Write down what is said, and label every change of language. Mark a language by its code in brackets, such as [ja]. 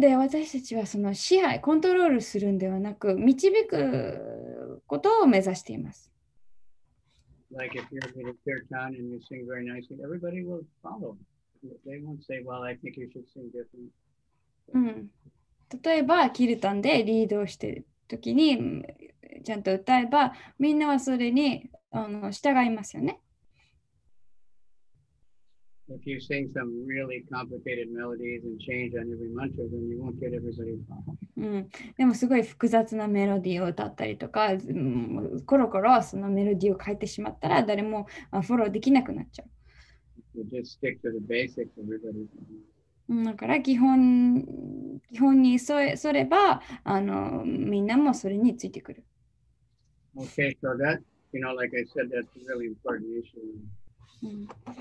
[ja] で、私たちはその支配、コントロールするんではなく、導くことを目指しています。 [en] Like if you're in a kirtan and you sing very nicely, everybody will follow. They won't say, well, I think you should sing different. [ja] うん、例えばキルタンでリードをしてる時にちゃんと歌えばみんなはそれにあの従いますよね。 [en] If you sing some really complicated melodies and change on every mantra, then you won't get everybody to follow. [ja] でもすごい複雑なメロディーを歌ったりとか、コロコロそのメロディーを変えてしまったら誰もフォローできなくなっちゃう。 [en] You just stick to the basics, everybody. [ja] だから基本に沿え、それば、あの、みんなもそれについてくる。 [en] Okay, so that, you know, like I said, that's a really important issue.